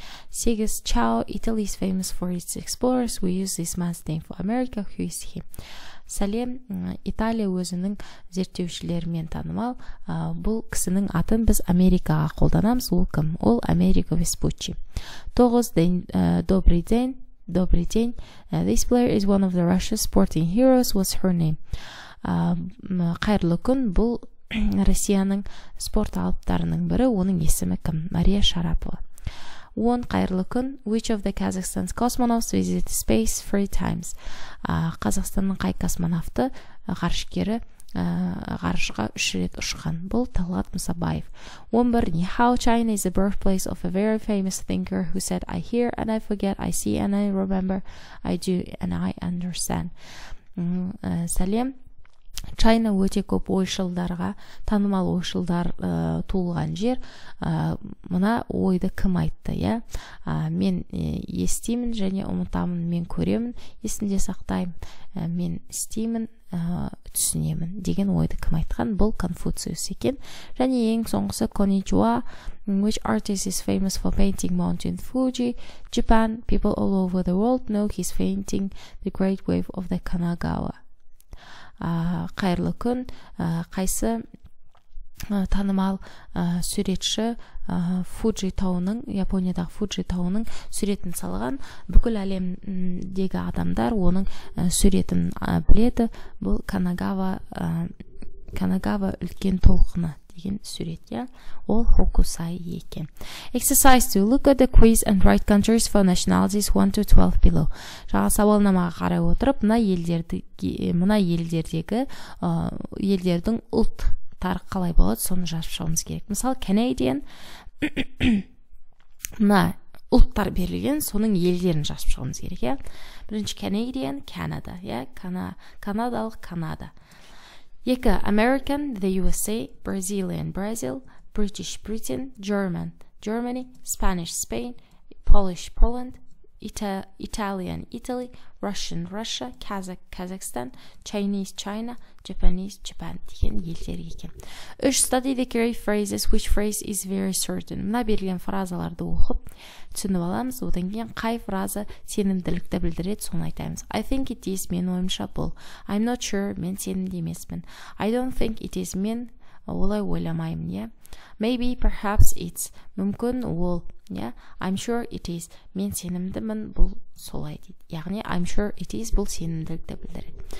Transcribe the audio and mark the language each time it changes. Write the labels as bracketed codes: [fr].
[kk] Сегіз, [en] Чао, Italy is famous for its explorers. We use this man's name for America. Who is he? [kk] Сәлем, Италия өзінің зерттеушілерімен танымал. Бұл кісінің атын біз Америкаға қолданамыз. Ол кім? Ол Америка Веспуччи. Тоғыз, [ru] добрый день. [en] This player is one of the Russian sporting heroes. What's her name? [kk] Қайырлы күн, бұл Россияның спорт алыптарының бірі. Оның есімі кім? Мария Шарапова. Он, қайырлы күн, [en] which of the Kazakhstan's cosmonauts visited space three times? [kk] Қазақстанның қай космонавты ғарышкері ғарышқа үш рет ұшқан? Бұл Талғат Мұсабаев. [en] 11, how China is the birthplace of a very famous thinker who said, I hear and I forget, I see and I remember, I do and I understand. [kk] Сәлем. Чайна өте көп ойшылдарға, танымал ойшылдар туылған жер. Мына ойды кім айтты? Мен естеймін және ұмытамын, мен көремін, есінде сақтаймын, мен істеймін, түсінемін деген ойды кім айтқан? Бұл Конфуциус екен. Және ең соңғысы [en] Коничуа, which artist is famous for painting Mountain Fuji, Japan, people all over the world know his painting The Great Wave of the Kanagawa. [kk] Қайырлы күн, қайсы танымал суретші Фуджи тауының, Япониядағы Фуджи тауының суретін салған, бүкіл әлемдегі адамдар оның суретін біледі. Бұл Канагава Канагава үлкен толқыны деген сурет, иә? Ол хокусай екен. [en] Exercise 2. Look at the quiz and write countries for nationalities 1 to 12 below. [kk] Жаңа сауалнамаға қарай отырып, мына елдердің ұлт тар қалай болады, соны жазып шығымыз керек. Мысалы, Canadian мына ұлттар берілген, соның елдерін жазып шығымыз керек, иә? Бірінші Canadian, Canada, иә? Канадалық Канада. [en] 2. American, the USA, Brazilian, Brazil, British, Britain, German, Germany, Spanish, Spain, Polish, Poland, Italian, Italy, Russian, Russia, Kazakh, Kazakhstan, Chinese, China, Japanese, Japan [kk] деген елдер екен. [en] 3. Study the key phrases, which phrase is very certain. [kk] Мына берілген фразаларды оқып, түсініп аламыз, одан кейін қай фраза сенімділікті білдіреді, соны айтамыз. [en] I think it is, [kk] мен ойымша бұл. [en] I'm not sure, [kk] мен сенімді емеспін. [en] I don't think it is, [kk] мен олай ойламаймын, иә. [en] Maybe, perhaps, it's, [kk] мүмкін ол, иә. [en] I'm sure it is, [kk] мен сенімдімін, бұл солай дейді. Яғни, [en] I'm sure it is, [kk] бұл сенімділікті білдіреді.